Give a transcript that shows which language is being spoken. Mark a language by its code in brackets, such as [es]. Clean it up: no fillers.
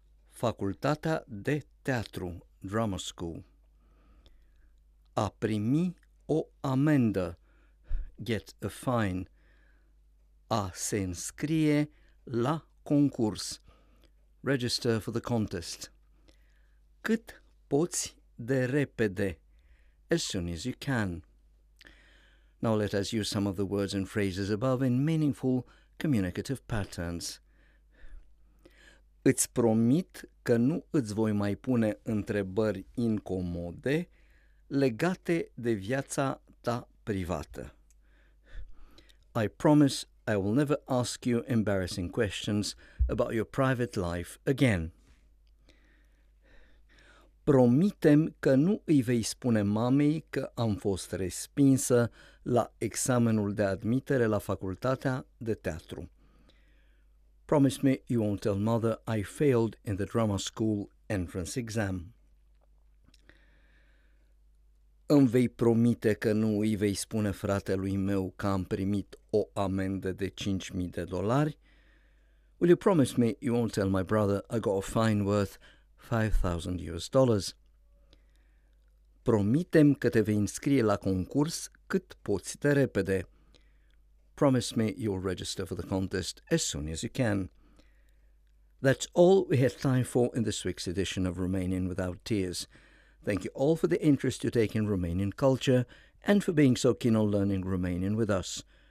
[ro] Facultatea de teatru, [en] drama school. [ro] A primi o amendă, [en] get a fine. [ro] A se înscrie la concurs, [en] register for the contest. [ro] Cât poți de repede, [en] as soon as you can. Now let us use some of the words and phrases above in meaningful communicative patterns. [ro] Îți promit că nu îți voi mai pune întrebări incomode legate de viața ta privată. [en] I promise I will never ask you embarrassing questions about your private life again. [ro] Promitem că nu îi vei spune mamei că am fost respinsă la examenul de admitere la facultatea de teatru. [en] Promise me you won't tell mother I failed in the drama school entrance exam. [ro] Îmi vei promite că nu îi vei spune fratelui meu că am primit o amendă de $5,000? [en] Will you promise me you won't tell my brother I got a fine worth [ro] $5,000. Promitem că te vei înscrie la concurs cât poți de repede. [en] Promise me you'll register for the contest as soon as you can. That's all we have time for in this week's edition of Romanian Without Tears. Thank you all for the interest you take in Romanian culture and for being so keen on learning Romanian with us.